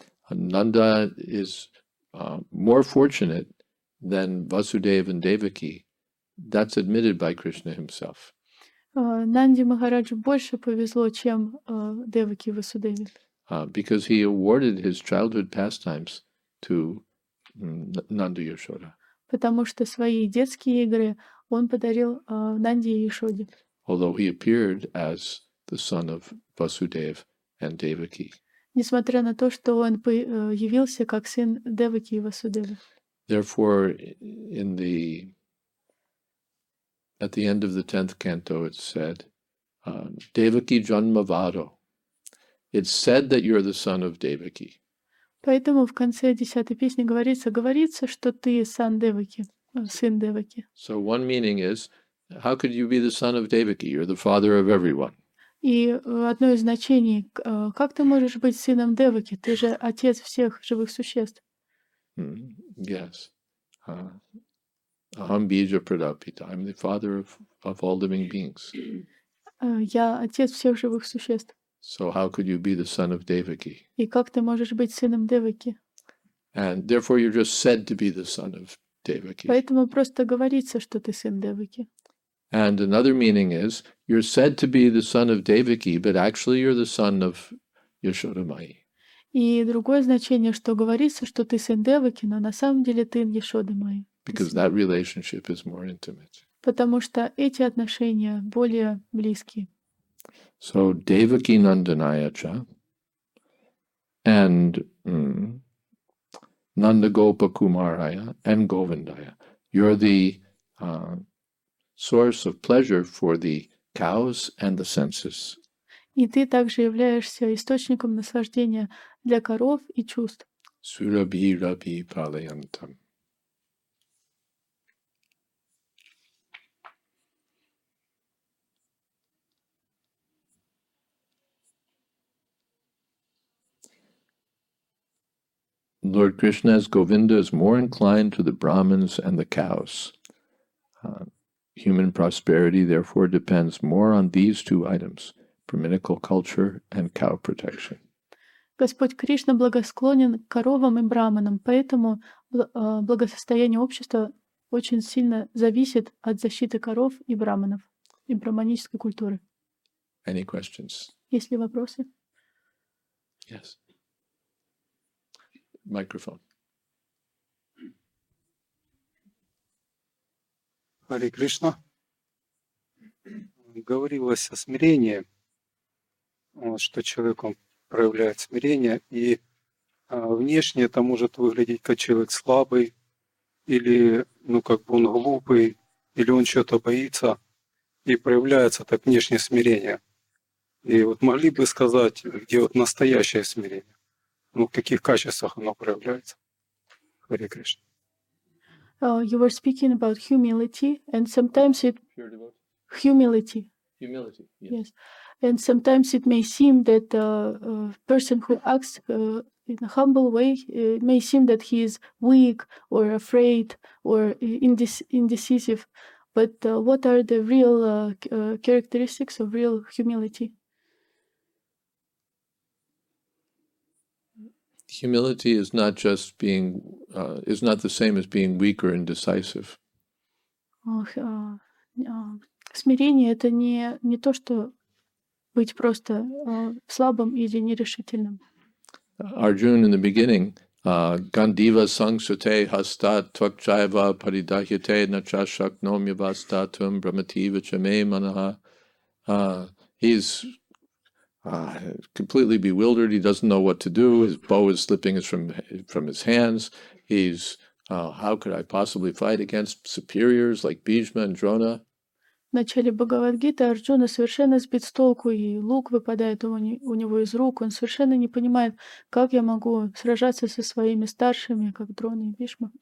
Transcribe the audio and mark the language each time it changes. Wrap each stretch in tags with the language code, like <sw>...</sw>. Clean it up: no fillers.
<en>Nanda is more fortunate than Vasudeva and Devaki. That's admitted by Krishna himself.</en> <ru>Нанде Махараджу больше повезло, чем Деваки Васудеве.</ru> <en>Because he awarded his childhood pastimes to Nanda Yashoda.</en> <ru>Потому что свои детские игры он подарил Нанде Яшоде.</ru> <en>although he appeared as the son of Vasudev and Devaki.</en> <ru>Несмотря на то, что он явился как сын Деваки и Васудевы.</ru> <en>Therefore, in the at the end of the 10th canto, it said,</en> <sa>Devaki Janmavado.</sa> <en>It's said that you're the son of Devaki.</en> <ru>Поэтому в конце 10-й песни говорится, что ты сын Деваки, сын Деваки.</ru> <en>So one meaning is, how could you be the son of Devaki? You're the father of everyone.</en> <ru>И одно из значений, как ты можешь быть сыном Деваки? Ты же отец всех живых существ.</ru> <en>Yes.</en> <sa>Aham Bija Pradapita.</sa> <en>I'm the father of all living beings.</en> <ru>Я отец всех живых существ.</ru> <en>So how could you be the son of Devaki?</en> <ru>И как ты можешь быть сыном Деваки?</ru> <en>And therefore you're just said to be the son of Devaki.</en> <ru>Поэтому просто говорится, что ты сын Деваки.</ru> <en>And another meaning is, you're said to be the son of Devaki, but actually you're the son of Yashoda Mai.</en> <ru>И другое значение, что говорится, что ты сын Деваки, но на самом деле ты Яшода Мая.</ru> <en>Because that relationship is more intimate.</en> <ru>Потому что эти отношения более близкие.</ru> <en>So Devaki Nandanayacha and Nandagopa Kumaraya and Govindaya. You're the source of pleasure for the cows and the senses.</en> <ru>И ты также являешься источником наслаждения для коров и чувств.</ru> <sa>Surabhi Rabhi Palayantam.</sa> <en>Lord Krishna's Govinda is more inclined to the Brahmins and the cows. Human prosperity, therefore, depends more on these two items, brahminical culture and cow protection.</en> <ru>Господь Кришна благосклонен коровам и браманам, поэтому благосостояние общества очень сильно зависит от защиты коров и браманов, и браманической культуры.</ru> <en>Any questions?</en> <ru>Есть ли вопросы?</ru> <en>Yes. Microphone. Hare Krishna.</en> <ru>Говорилось о смирении, что человеком проявляет смирение, и внешне это может выглядеть как человек слабый, или ну как бы он глупый, или он чего-то боится, и проявляется так внешнее смирение. И вот могли бы сказать, где вот настоящее смирение? Ну, в каких качествах оно проявляется?</ru> <en>Hare Krishna. You were speaking about humility, and sometimes it humility. Humility. Yes. Yes. And sometimes it may seem that a person who acts in a humble way may seem that he is weak or afraid or indecisive. But what are the real characteristics of real humility? Humility is not just being, is not the same as being weak or indecisive.</en> <ru>Смирение — это не то, что быть просто слабым или нерешительным.</ru> <en>Arjuna, in the beginning,</en> <sa>Gandiva sangsute hasta tvakchaiva paridahyate nachashaknom yavastatum brahmativa chame manaha.</sa> <en>He's completely bewildered. He doesn't know what to do. His bow is slipping from his hands. He's, how could I possibly fight against superiors like Bhishma and Drona?</en> <ru>В начале Бхагавадгиты Арджуна совершенно сбит с толку, и лук выпадает у него из рук. Он совершенно не понимает, как я могу сражаться со своими старшими, как Дрона и Бхишма.</ru>